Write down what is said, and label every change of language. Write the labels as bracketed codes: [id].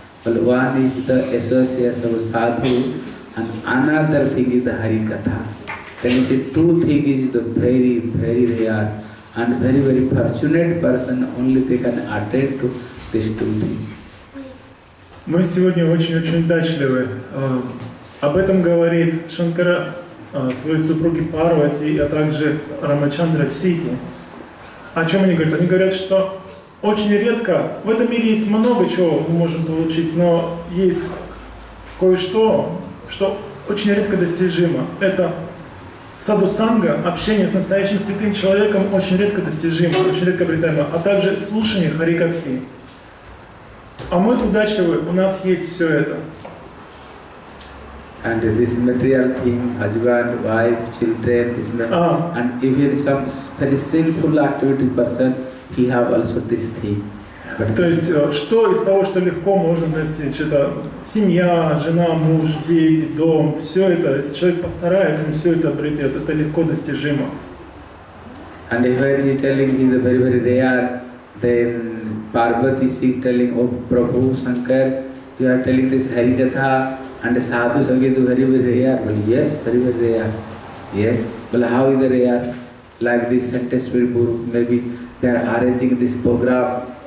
[en] Well, one is the association of sadhu and another thing is the harikatha. Then he said two things is the very, very rare and very, very fortunate person only they can attend to these two things. We are today very [ru] удачливы. Об этом говорит Шанкара. Своей супруге Парвати, а также Рамачандра Сити. О чем они говорят? Они говорят, что очень редко, в этом мире есть много чего мы можем получить, но есть кое-что, что очень редко достижимо. Это садусанга, общение с настоящим святым человеком, очень редко достижимо, очень редко обретаемо, а также слушание харикатхи. А мы удачливы, у нас есть все это. [en] And this material thing, husband, wife, children, this and even some very sinful activity person, he have also this thing. But [ru] то есть, что из того, что легко можно достичь, это семья, жена, муж, дети, дом, все это, если человек постарается, он все это обретет, это легко достижимо. [en] And when he telling is very, very rare, then Parvati is telling, oh Prabhu Shankar, you are telling this Harikatha, and the sadhu sangeetu very very rare. Well, yes, very very rare. Yes. Well, how is the rare? Like this sentence will be, maybe they are arranging this program